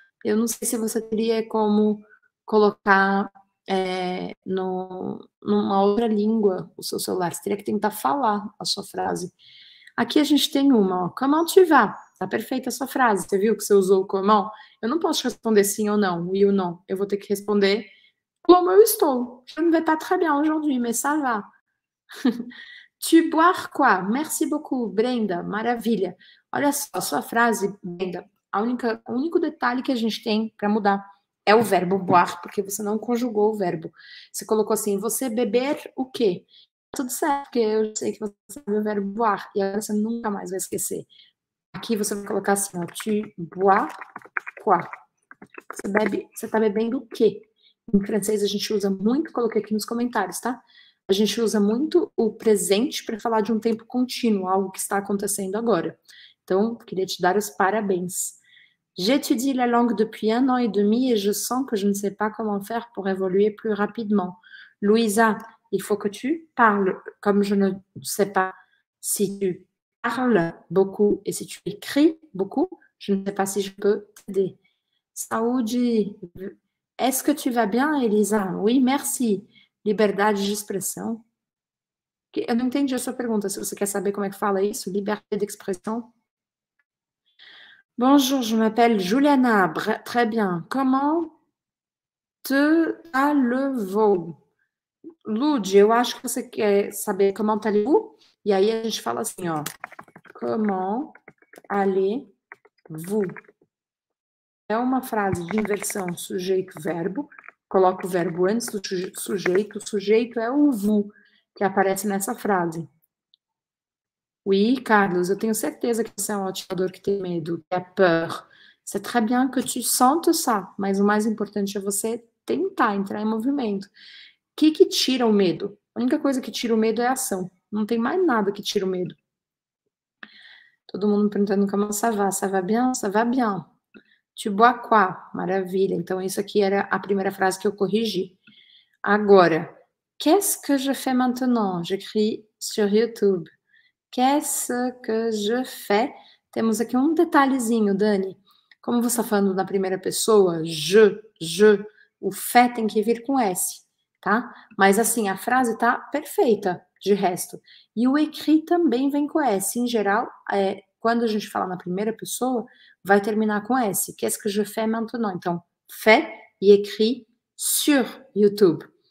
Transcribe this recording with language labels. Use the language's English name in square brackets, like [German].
[Portuguese] Eu não sei se você teria como colocar numa outra língua o seu celular. Você teria que tentar falar a sua frase. Aqui a gente tem uma, ó. [French] Comment tu vas? [Portuguese] Tá perfeita a sua frase. Você viu que você usou o comment? Eu não posso responder sim ou não, oui ou não. Eu vou ter que responder. Como eu estou? [French] Je ne vais pas très bien aujourd'hui, mais ça va. Tu bois quoi? Merci beaucoup, Brenda. [Portuguese] Maravilha. Olha só, a sua frase, Brenda. O único detalhe que a gente tem para mudar é o verbo boire, porque você não conjugou o verbo. Você colocou assim, você beber o quê? Tudo certo, porque eu sei que você sabe o verbo boire, e agora você nunca mais vai esquecer. Aqui você vai colocar assim, ó, [French] tu bois quoi? [Portuguese] Você tá bebendo o quê? Em francês a gente usa muito, coloquei aqui nos comentários, tá? A gente usa muito o presente para falar de um tempo contínuo, algo que está acontecendo agora. Então, queria te dar os parabéns. [French] J'étudie la langue depuis 1 an et demi et je sens que je ne sais pas comment faire pour évoluer plus rapidement. Louisa, il faut que tu parles, comme je ne sais pas si tu parles beaucoup et si tu écris beaucoup, je ne sais pas si je peux t'aider. Saúde. Est-ce que tu vas bien, Elisa? Oui, merci. [Portuguese] Liberdade de expressão. Eu não entendi a sua pergunta, se você quer saber como é que fala isso, liberdade de expressão. [French] Bonjour, je m'appelle Juliana. Très bien. Comment te allez-vous? [Portuguese] Lud, eu acho que você quer saber [French] comment allez-vous? [Portuguese] E aí a gente fala assim, ó. [French] Comment allez-vous? [Portuguese] É uma frase de inversão sujeito-verbo. Coloca o verbo antes do sujeito. O sujeito é o vous que aparece nessa frase. Oui, Carlos, eu tenho certeza que você é um atirador que tem medo, que é peur. [French] C'est très bien que tu sentes ça, [Portuguese] mas o mais importante é você tentar entrar em movimento. O que que tira o medo? A única coisa que tira o medo é a ação. Não tem mais nada que tira o medo. Todo mundo perguntando como [French] ça va. Ça va bien? Ça va bien. Tu bois quoi? Maravilha. [Portuguese] Então, isso aqui era a primeira frase que eu corrigi. [French] Agora, qu'est-ce que je fais maintenant? J'écris sur YouTube. Qu'est-ce que je fais? [Portuguese] Temos aqui um detalhezinho, Dani. Como você está falando na primeira pessoa, je, o fé tem que vir com S, tá? Mas assim, a frase está perfeita, de resto. E o écrit também vem com S. Em geral, quando a gente fala na primeira pessoa, vai terminar com S. [French] Qu'est-ce que je fais maintenant? [Portuguese] Então, fais e écris sur YouTube.